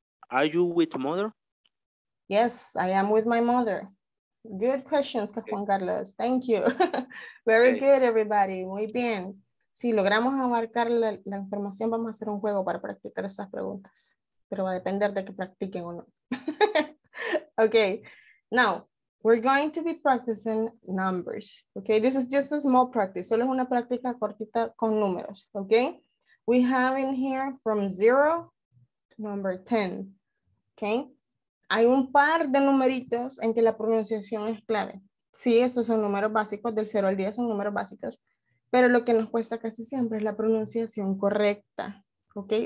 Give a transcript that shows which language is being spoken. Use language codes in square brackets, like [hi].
[en] Are you with mother? Yes, I am with my mother. Good questions, Juan Carlos. Thank you. Very good, everybody. [es] Muy bien. Si logramos abarcar la información, vamos a hacer un juego para practicar esas preguntas. Pero va a depender de que practiquen o no. Okay. [en] Now, we're going to be practicing numbers, okay? This is just a small practice. [es] Solo es una práctica cortita con números, okay? [en] We have in here from 0 to number 10, okay? [es] Hay un par de numeritos en que la pronunciación es clave. Sí, esos son números básicos, del 0 al 10 son números básicos, pero lo que nos cuesta casi siempre es la pronunciación correcta, okay?